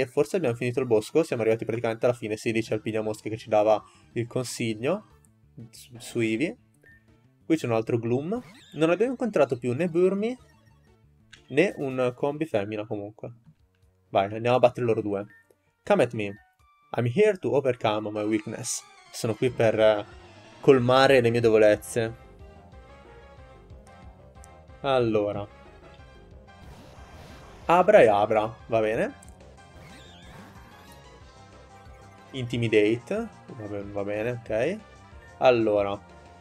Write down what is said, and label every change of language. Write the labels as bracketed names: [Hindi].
[Italian] E forse abbiamo finito il bosco. Siamo arrivati praticamente alla fine. Sì, lì c'è il pignamosca che ci dava il consiglio. Su Eevee. Qui c'è un altro Gloom. Non abbiamo incontrato più né Burmy. Né un combi femmina comunque. Vai, andiamo a battere loro due. [English] Come at me. I'm here to overcome my weakness. [Italian] Sono qui per colmare le mie debolezze. Allora. Abra e Abra, va bene. Intimidate. Va bene, ok. Allora.